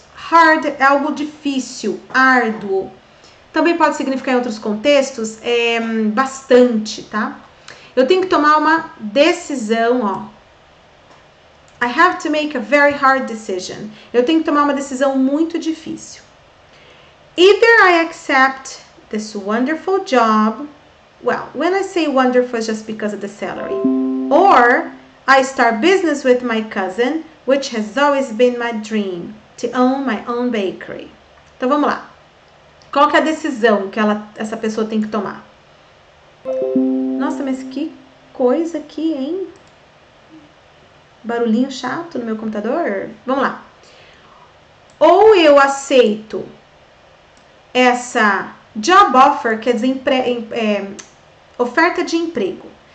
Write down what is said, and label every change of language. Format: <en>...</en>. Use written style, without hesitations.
<pt>Hard é algo difícil, árduo. Também pode significar em outros contextos, bastante, tá? Eu tenho que tomar uma decisão, ó.</pt> <en>I have to make a very hard decision.</en> <pt>Eu tenho que tomar uma decisão muito difícil.</pt> <en>Either I accept this wonderful job. Well, when I say wonderful, it's just because of the salary. Or I start business with my cousin, which has always been my dream, to own my own bakery.</en> <pt>Então, vamos lá. Qual que é a decisão que essa pessoa tem que tomar? Nossa, mas que coisa aqui, hein? Barulhinho chato no meu computador? Vamos lá. Ou eu aceito essa job offer, quer dizer, oferta de emprego.</pt>